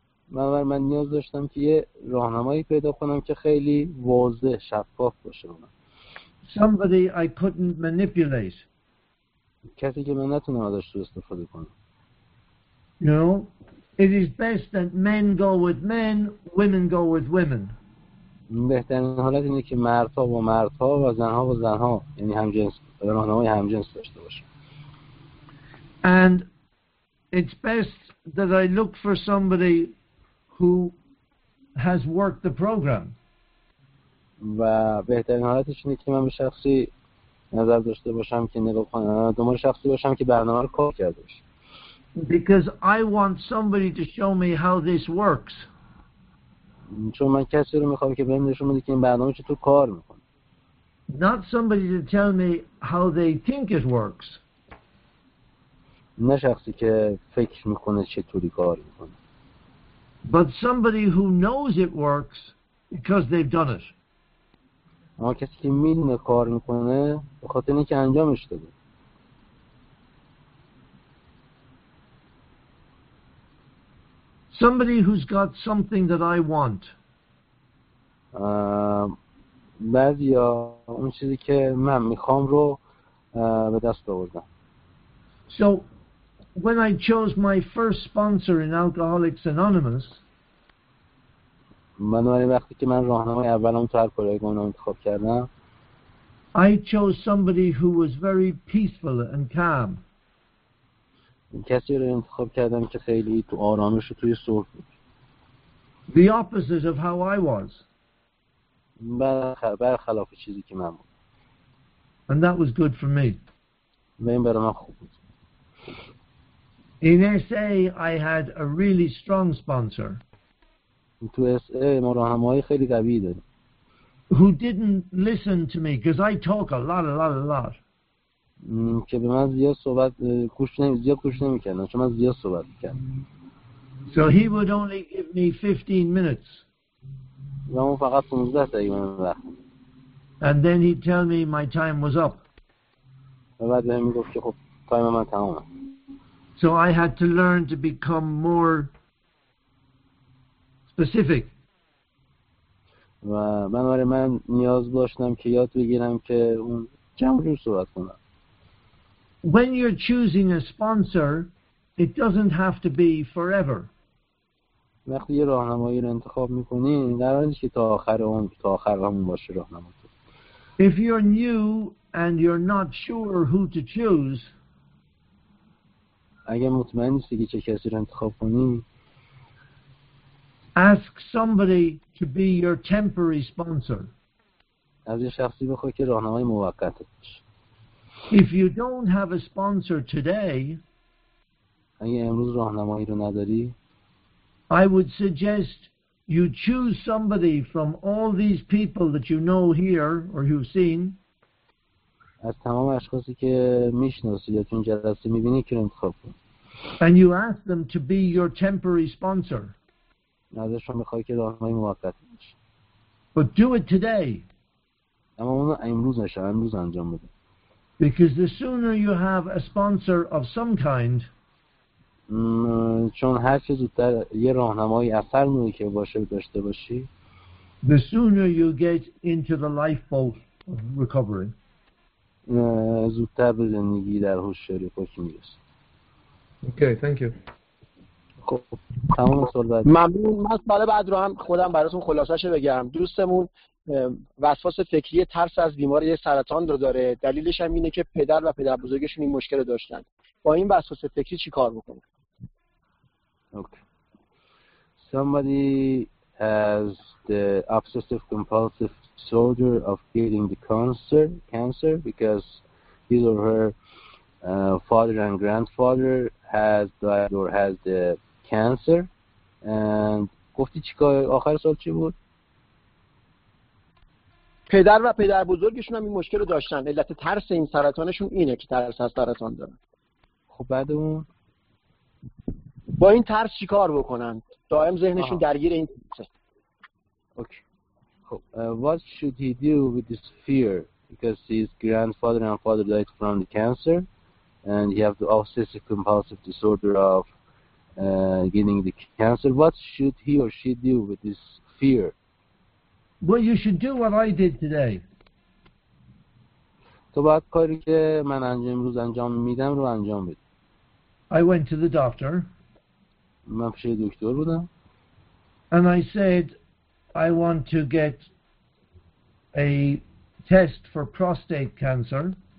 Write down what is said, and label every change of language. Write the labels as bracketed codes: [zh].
[fa] من نیاز داشتم که یه راهنمایی پیدا کنم که خیلی واضح شفاف باشه من. [en] Somebody I couldn't manipulate. [fa] کسی که من نتونم ازش سوء استفاده کنم. [en] No. It is best that men go with men, women go with women. [fa] بهترین حالت اینه که مردها با مردها و زنها با زنها، یعنی همجنس، راهنمای همجنس داشته باشه. [en] And it's best that I look for somebody who has worked the program. [fa] و بهترین حالتش اینه که من به شخصی نظر داشته باشم که نگاه کنم، دنبال شخصی باشم که برنامه رو کار کرده باشه. [en] Because I want somebody to show me how this works. [fa] چون من کسی رو میخوام که بهم نشون بده که این برنامه چطور کار میکنه. [en] Not somebody to tell me how they think it works. [fa] نه شخصی که فکر میکنه چطوری کار میکنه. [en] But somebody who knows it works because they've done it. [fa] اما کسی که میدونه کار میکنه به خاطر اینکه انجامش داده. [en] Somebody who's got something that I want. [fa] بعضیا اون چیزی که من میخوام رو به دست آوردن. [en] So when I chose my first sponsor in Alcoholics Anonymous. [fa] من اون وقتی که من راهنمای اولم تو الکلیک اونم انتخاب کردم. [en] I chose somebody who was very peaceful and calm. [fa] کسی رو انتخاب کردم که خیلی تو آرامش و توی صلح بود. [en] The opposite of how I was. [fa] برخلاف چیزی که من بود. [en] And that was good for me. [fa] من برای من خوب بود. [en] In SA I had a really strong sponsor. [fa] تو SA ما راهنمایی خیلی قوی داریم. [en] Who didn't listen to me because I talk a lot. [fa] که به من زیاد صحبت گوش نمی زیاد گوش نمی کردن چون من زیاد صحبت میکردم. [en] So he would only give me 15 minutes. [fa] و من فقط 15 دقیقه من وقت. [en] And then he'd tell me my time was up. [fa] و بعد به من گفت که خب تایم من تمامه. [en] So I had to learn to become more specific. [fa] و بنابراین من نیاز داشتم که یاد بگیرم که اون چند جور صحبت کنم. [en] When you're choosing a sponsor, it doesn't have to be forever. [fa] وقتی یه راهنمایی رو انتخاب می‌کنی، قرار نیست که تا آخر اون تا آخر همون باشه راهنمات. [en] If you're new and you're not sure who to choose, [fa] اگه مطمئن نیستی که چه کسی رو انتخاب کنی، [en] ask somebody to be your temporary sponsor. [fa] از یه شخصی بخوای که راهنمای موقتت باشه. [en] If you don't have a sponsor today, [fa] اگه امروز راهنمایی رو نداری، [en] I would suggest you choose somebody from all these people that you know here or you've seen. [fa] از تمام اشخاصی که میشناسی یا تو این جلسه میبینی که انتخاب کن. [en] And you ask them to be your temporary sponsor. [fa] ازشون میخوای که راهنمای موقت باشی. [en] But do it today. [fa] اما اونو امروز نشه، امروز انجام بده. [en] Because the sooner you have a sponsor of some kind, [fa] چون هر چه زودتر یه راهنمایی اثر نوعی که باشه داشته باشی، [en] the sooner you get into the lifeboat of recovery. [fa] زودتر به زندگی در هوشیاری خودت میرسی. [en] Okay, thank you. [fa] تمام سوال بعد. ممنون. من سوال بعد رو هم خودم براتون خلاصه‌اش بگم. دوستمون وسواس فکری ترس از بیماری سرطان رو داره. دلیلش هم اینه که پدر و پدر بزرگشون این مشکل رو داشتن. با این وسواس فکری چی کار بکنه؟ [en] Okay. Somebody has the obsessive compulsive disorder of getting the cancer because his or her father and grandfather has died or has the cancer. [fa] And گفتی چیکار آخر سال چی بود؟ پدر و پدر بزرگشون هم این مشکل رو داشتن. علت ترس این سرطانشون اینه که ترس از سرطان دارن. خب بعد اون با این ترس چی کار بکنن؟ دائم ذهنشون درگیر این ترسه. اوکی. [en] خب what should he do with this fear because his grandfather and father died from the cancer and he have the obsessive compulsive disorder of getting the cancer. What should he or she do with this fear? Well, you should do what I did today. [fa] تو باید کاری که من امروز انجام میدم رو انجام بدی. [en] I went to the doctor. [fa] من پیش دکتر بودم. [en] And I said, I want to get a test for prostate cancer.